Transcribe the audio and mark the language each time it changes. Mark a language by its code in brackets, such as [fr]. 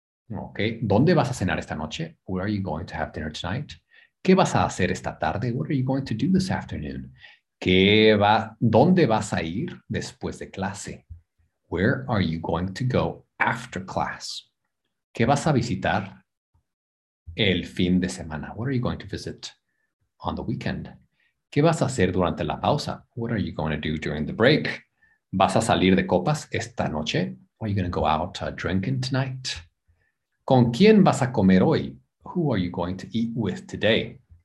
[es] Ok, ¿dónde vas a cenar esta noche? [en] Where are you going to have dinner tonight? [es] ¿Qué vas a hacer esta tarde? [en] What are you going to do this afternoon? [es] ¿Dónde vas a ir después de clase? [en] Where are you going to go after class? [es] ¿Qué vas a visitar el fin de semana? [en] What are you going to visit on the weekend? [es] ¿Qué vas a hacer durante la pausa? [en] What are you going to do during the break? [es] ¿Vas a salir de copas esta noche? [en] Are you going to go out drinking tonight? [es] ¿Con quién vas a comer hoy? [en] Who are you going to eat with today?